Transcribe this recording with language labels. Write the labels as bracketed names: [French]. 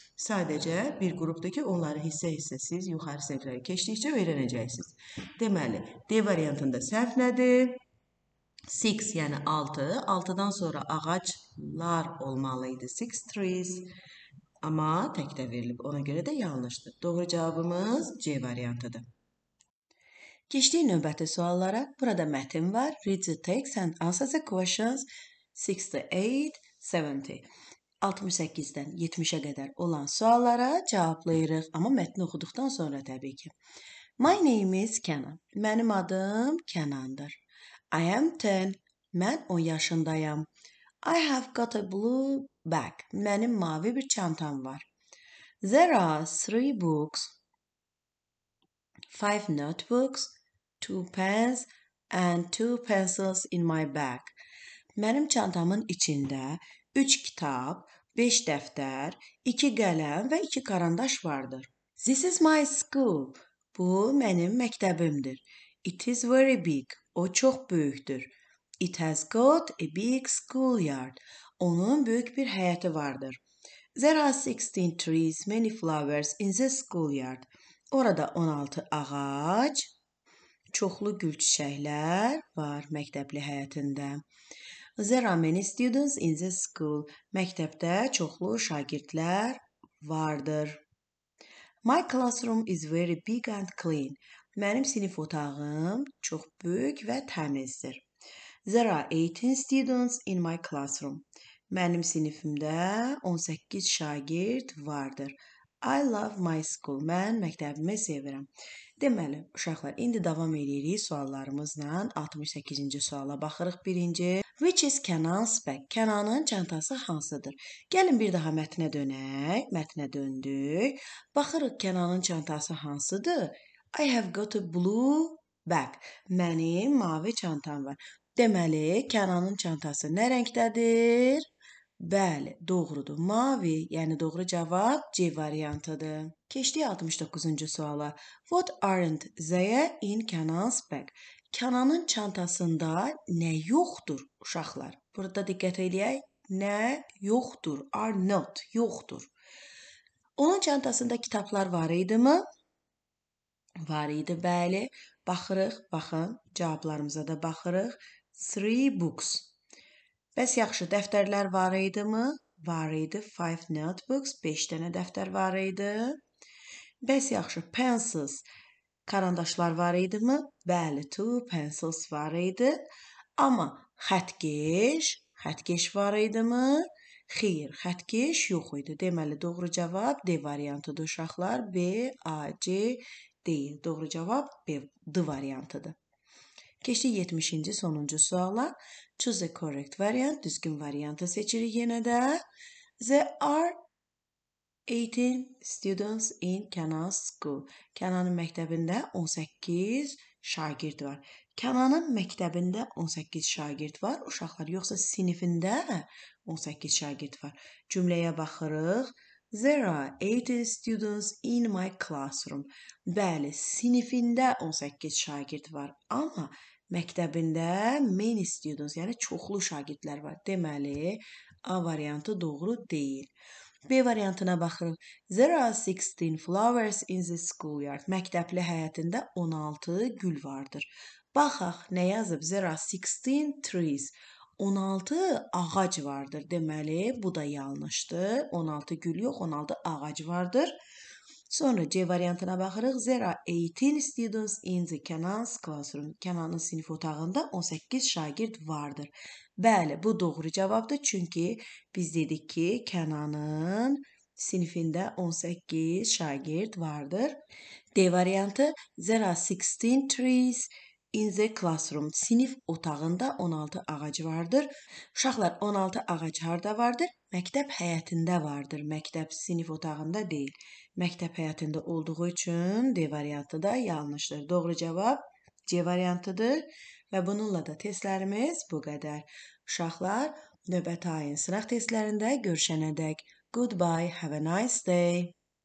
[Azerbaijani] Sadəcə bir qrupdur ki, onları hissə-hissə siz yuxarı sinifləri keçdikcə öyrənəcəksiniz. Deməli, D variantında səhv nədir? 6, yəni 6. 6-dan sonra ağaclar olmalıydı. 6 trees. Amma təkdə verilib. Ona görə də yanlışdır. Doğru cavabımız C variantıdır. Keçdiyi növbəti suallara, burada mətn var. [English] Read the text and answer the questions 68, 70. [Azerbaijani] 68-dən 70-ə qədər olan suallara cavablayırıq, amma mətni oxuduqdan sonra təbii ki. [English] My name is Kenan. [Azerbaijani] Mənim adım Kenandır. [English] I am 10. [Azerbaijani] Mən 10 yaşındayım. [English] I have got a blue bag. [Azerbaijani] Mənim mavi bir çantam var. [English] There are 3 books, 5 notebooks, 2 pens and 2 pencils in my bag. [Azerbaijani] Mənim çantamın içində 3 kitab, 5 dəftər, 2 qələm və 2 karandaş vardır. [English] This is my school. [Azerbaijani] Bu, mənim məktəbimdir. [English] It is very big. [Azerbaijani] O, çox böyükdür. [English] It has got a big schoolyard. [Azerbaijani] Onun böyük bir həyəti vardır. [English] There are 16 trees, many flowers in the schoolyard. [Azerbaijani] Orada 16 ağac, çoxlu gül çiçəklər var məktəbli həyətində. [English] There are many students in the school. [Azerbaijani] Məktəbdə çoxlu şagirdlər Vardır. [English] My classroom is very big and clean. [Azerbaijani] Mənim sinif otağım çox böyük və təmizdir. [English] There are 18 students in my classroom. [Azerbaijani] Mənim sinifimdə 18 şagird vardır. [English] I love my school. [Azerbaijani] Mən məktəbimi sevirəm. Deməli, uşaqlar, indi davam edirik suallarımızla. 68-ci suala baxırıq birinci. [English] Which is Kenan's bag? [Azerbaijani] Kenan'ın çantası hansıdır? Gəlin bir daha mətnə dönək. Mətnə döndük. Baxırıq Kenan'ın çantası hansıdır? [English] I have got a blue bag. [Azerbaijani] Mənim mavi çantam var. Deməli, Kenan'ın çantası nə rəngdədir? Bəli, doğrudur. Mavi, yəni doğru cavab C variantıdır. Keçdik 69-cu suala. [English] What aren't there in Kenan's bag? [Azerbaijani] Kenan'ın çantasında nə yoxdur uşaqlar? Burada diqqət eləyək. Nə yoxdur? Are not, yoxdur. Onun çantasında kitablar var idi mi? Var idi, bəli. Baxırıq, baxın, cavablarımıza da baxırıq. [English] Three books. [Azerbaijani] Bəs yaxşı, dəftərlər var idi mi? Var idi, [English] five notebooks. [Azerbaijani] 5 dənə dəftər var idi. Bəs yaxşı, pencils. Karandaşlar var idi mi? Bəli, [English] two pencils [Azerbaijani] var idi. Amma xətkeş, xətkeş var idi mi? Xeyr, xətkeş yox idi. Deməli, doğru cavab D variantıdır uşaqlar. B, A, C deyil. Doğru cavab B, D variantıdır. Keçdik 70-ci sonuncu suala. [English] Choose a correct variant. [Azerbaijani] Düzgün variantı seçirik yenə də. [English] There are 18 students in Kenan's school. [Azerbaijani] Kenan'ın məktəbində 18 şagird var. Kenan'ın məktəbində 18 şagird var uşaqlar. Yoxsa sinifində 18 şagird var. Cümləyə baxırıq. [English] There are 18 students in my classroom. [Azerbaijani] Bəli, sinifində 18 şagird var. Amma məktəbində [English] many students, [Azerbaijani] yəni çoxlu şagirdlər var. Deməli, A variantı doğru deyil. B variantına baxırıq. [English] There are 16 flowers in the schoolyard. [Azerbaijani] Məktəbli həyətində 16 gül vardır. Baxaq, nə yazıb? [English] There are 16 trees. [Azerbaijani] 16 ağac vardır. Deməli, bu da yanlışdır. 16 gül yox, 16 ağac vardır. Sonra C variantına baxırıq. [English] There are 18 students in the Kenan's classroom. [Azerbaijani] Kenan'ın sinif otağında 18 şagird vardır. Bəli, bu doğru cavabdır. Çünki biz dedik ki, Kenan'ın sinifində 18 şagird vardır. D variantı. [English] There are 16 trees in the classroom. [Azerbaijani] Sinif otağında 16 ağac vardır. Uşaqlar, 16 ağac harda vardır? Məktəb həyətində vardır. Məktəb sinif otağında deyil. Məktəb həyatında olduğu üçün D variantı da yanlışdır. Doğru cavab C variantıdır. Və bununla da testlərimiz bu qədər. Uşaqlar, növbəti ayın sınaq testlərində görüşənə dək. [English] Goodbye, have a nice day.